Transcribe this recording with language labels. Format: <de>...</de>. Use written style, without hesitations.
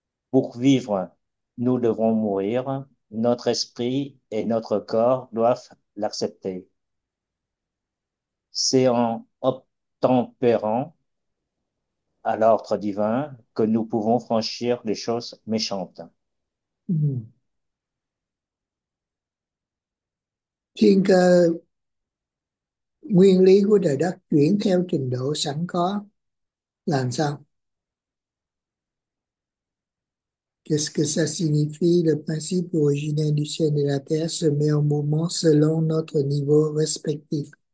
<fr>Pour vivre, nous devons mourir, notre esprit et notre corps doivent l'accepter. C'est en obtempérant à l'ordre divin que nous pouvons franchir les choses méchantes.</fr> <vi>Thiên cơ nguyên lý của trời đất chuyển theo trình độ sẵn có làm sao?</vi> <fr>Qu'est-ce que ça signifie? Le principe originel du ciel et de la terre se met en mouvement selon notre niveau respectif.</fr>